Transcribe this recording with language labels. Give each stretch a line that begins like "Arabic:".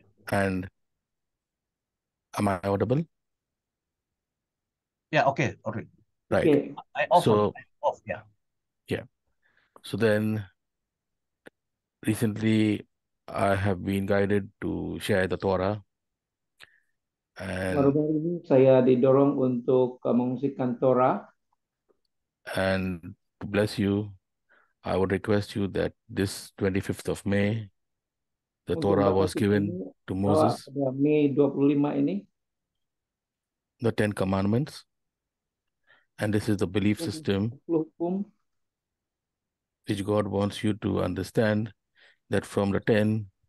English: And am I audible? Yeah, okay, all right. Right. Okay. So then recently I have been guided to share the Torah. And
Malay: baru-baru ini saya didorong untuk mengusikkan Torah.
English: And to bless you, I would request you that this 25th of May, the Torah was given to Moses.
Malay: May 25 ini.
English: The Ten Commandments. And this is the belief system which God wants you to understand, that from the Ten